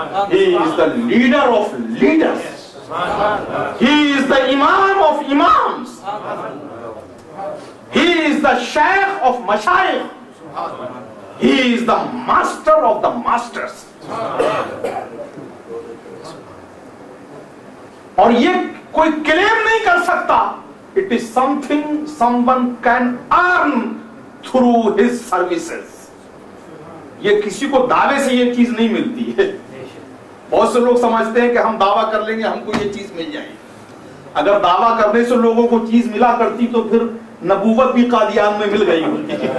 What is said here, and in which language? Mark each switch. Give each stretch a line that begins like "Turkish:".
English: He is the leader of leaders. He is the imam of imams. He is the sheikh of mashayikh. He is the master of the masters.
Hindi: और ये कोई claim नहीं कर सकता.
English: It is something someone can earn through his services.
Hindi: ये किसी को दावे से ये चीज नहीं मिलती है. बहुत से लोग समझते हैं कि हम दावा कर लेंगे हमको ये चीज मिल जाएगी. अगर दावा करने से लोगों को चीज मिला करती तो फिर नबूवत भी कादियान में मिल गई होती.